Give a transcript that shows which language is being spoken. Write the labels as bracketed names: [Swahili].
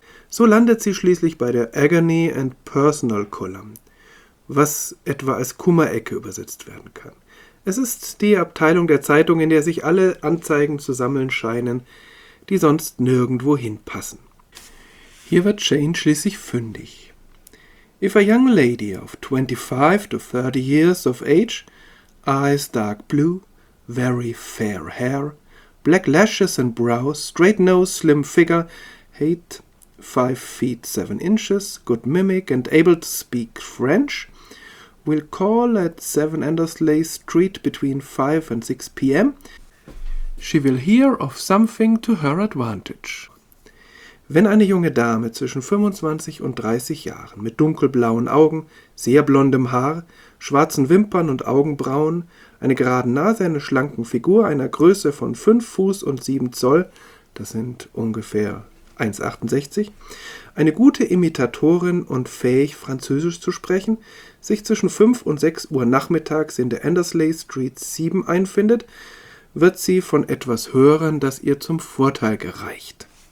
[German] So landet sie schließlich bei der Agony and Personal Column, was etwa als Kummerecke übersetzt werden kann. Es ist die Abteilung der Zeitung, in der sich alle Anzeigen zu sammeln scheinen, die sonst nirgendwo hinpassen. Hier wird Jane schließlich fündig. [English] If a young lady of 25 to 30 years of age, eyes dark blue, very fair hair, black lashes and brows, straight nose, slim figure, height 5 feet 7 inches, good mimic and able to speak French, will call at 7 Endersley Street between 5 and 6 p.m. She will hear of something to her advantage. [German] Wenn eine junge Dame zwischen 25 und 30 Jahren mit dunkelblauen Augen, sehr blondem Haar, schwarzen Wimpern und Augenbrauen, einer geraden Nase, einer schlanken Figur, einer Größe von 5 Fuß und 7 Zoll, das sind ungefähr 1,68, eine gute Imitatorin und fähig, Französisch zu sprechen, sich zwischen 5 und 6 Uhr nachmittags in der Endersley Street 7 einfindet, wird sie von etwas hören, das ihr zum Vorteil gereicht.